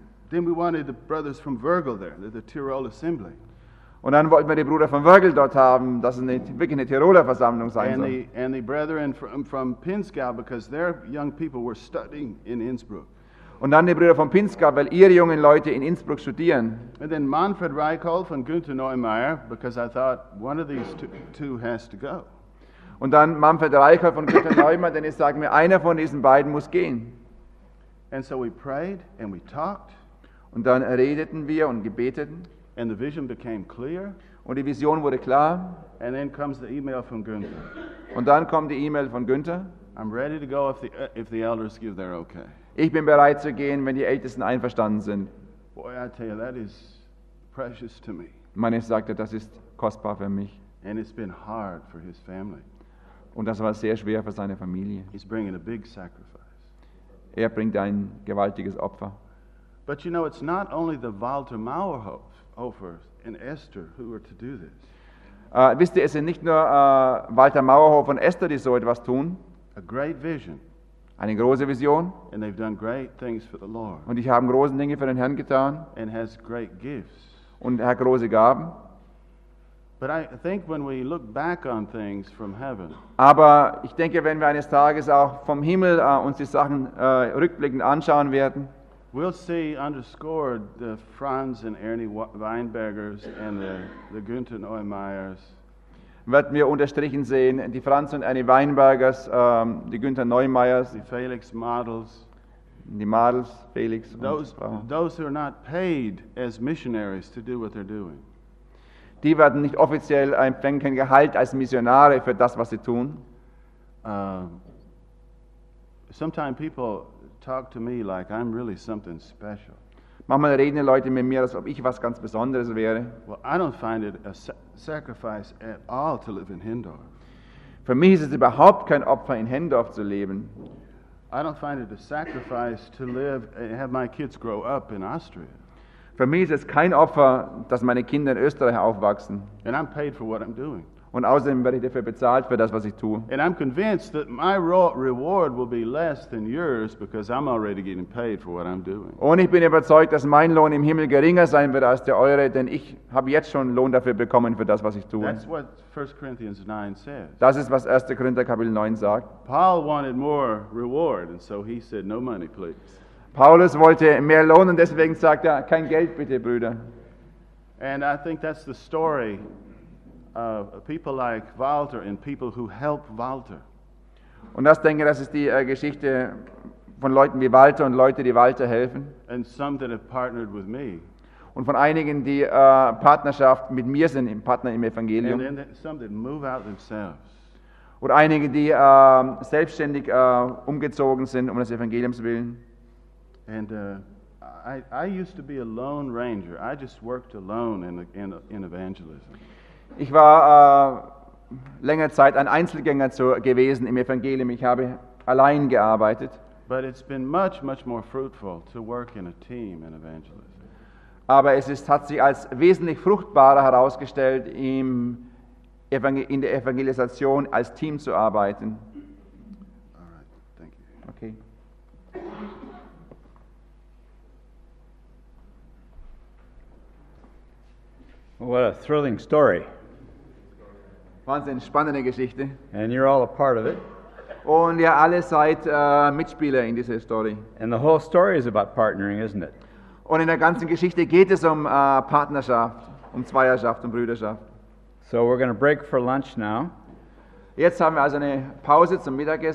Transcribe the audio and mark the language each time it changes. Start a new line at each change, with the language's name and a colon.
English: Then we wanted the brothers from Virgil there, the Tirol Assembly.
German: Und dann wollten wir die Brüder von Virgil dort haben, dass es wirklich eine Tiroler Versammlung sein soll.
English: And the brethren from Pinzgau, because their young people were studying in Innsbruck.
German: Und dann die Brüder von Pinzgau, weil ihre jungen Leute in Innsbruck studieren.
English: And then Manfred Reichhoff and Günther Neumeier, because I thought one of these two has to go.
German: Und dann Manfred Reichhoff und Günther Neumeier, denn ich sage mir, einer von diesen beiden muss gehen.
English: And so we prayed and we talked.
German: Und dann redeten wir und gebeteten.
English: And the vision became clear.
German: Und die Vision wurde klar.
English: And then comes the email from Günther.
German: Und dann kommt die E-Mail von Günther.
English: I'm ready to go if the elders give their okay.
German: Ich bin bereit zu gehen, wenn die Ältesten einverstanden sind.
English: Boy, I tell you, that is precious to me.
German: Man, ich sagte, das ist kostbar für mich.
English: And it's been hard for his family.
German: Und das war sehr schwer für seine Familie.
English: He's bringing a big sacrifice.
German: Er bringt ein gewaltiges Opfer.
English: But you know, it's not only the Walter Mauerhofer and Esther who are to do this.
German: Wisst ihr, es sind nicht nur Walter Mauerhofer und Esther, die so etwas tun.
English: A great vision.
German: Eine große Vision.
English: And they've done great things for the Lord.
German: Und die haben große Dinge für den Herrn getan.
English: And has great gifts.
German: Und er hat große Gaben.
English: But I think when we look back on things from heaven.
German: Aber ich denke, wenn wir eines Tages auch vom Himmel uns die Sachen rückblickend anschauen werden.
English: We'll see underscored the Franz and Ernie Weinbergers and the Günther Neumeyers.
German: Werden wir unterstrichen sehen, die Franz und Ernie Weinbergers, die Günther Neumeyers.
English: The Felix Models.
German: Die Models, Felix.
English: Those who are not paid as missionaries to do what they're doing.
German: Die werden nicht offiziell empfangen, kein Gehalt als Missionare für das, was sie tun.
English: Sometimes people talk to me like I'm really something special.
German: Manchmal reden Leute mit mir, als ob ich was ganz Besonderes wäre.
English: Well, I don't find it a sacrifice at all to live in Hindorf.
German: Für mich ist es überhaupt kein Opfer, in Hindorf zu leben.
English: I don't find it a sacrifice to live and have my kids grow up in Austria.
German: Für mich ist es kein Opfer, dass meine Kinder in Österreich aufwachsen.
English: And I'm paid for what I'm doing.
German: Und außerdem werde ich dafür bezahlt für das, was ich tue.
English: And I'm convinced that my reward will be less than yours because I'm already getting paid for what I'm doing.
German: Und ich bin überzeugt, dass mein Lohn im Himmel geringer sein wird als der eure, denn ich habe jetzt schon Lohn dafür bekommen für das, was ich tue.
English: That's what 1 Corinthians 9 says.
German: Das ist, was 1. Korinther Kapitel 9 sagt.
English: Paul wanted more reward, and so he said, "No money, please."
German: Paulus wollte mehr Lohn, und deswegen sagt er, kein Geld bitte, Brüder.
English: And I think that's the story. People like Walter and people who help Walter.
German: Und das denke, das ist die Geschichte von Leuten wie Walter und Leute, die Walter helfen.
English: And some that have partnered with me.
German: Und von einigen, die Partnerschaft mit mir sind, im Partner im Evangelium.
English: And then some that move out themselves.
German: Und einige, die selbstständig umgezogen sind, um das Evangelium zu willen.
English: And I used to be a lone ranger. I just worked alone in evangelism.
German: Ich war länger Zeit ein Einzelgänger gewesen im Evangelium. Ich habe allein gearbeitet.
English: But it's been much, much more fruitful to work in a team in evangelism.
German: Aber es ist, hat sich als wesentlich fruchtbarer herausgestellt, in der Evangelisation als Team zu arbeiten.
English: All right, thank you.
German: Okay.
English: What a thrilling story.
German: Wahnsinn, spannende Geschichte.
English: And you're all a part of it.
German: Und ihr alle seid Mitspieler in dieser Story.
English: And the whole story is about partnering, isn't it?
German: Und in der ganzen Geschichte geht es um Partnerschaft, um Zweierschaft und Brüderschaft.
English: So we're going to break for lunch now.
German: Jetzt haben wir also eine Pause zum Mittagessen.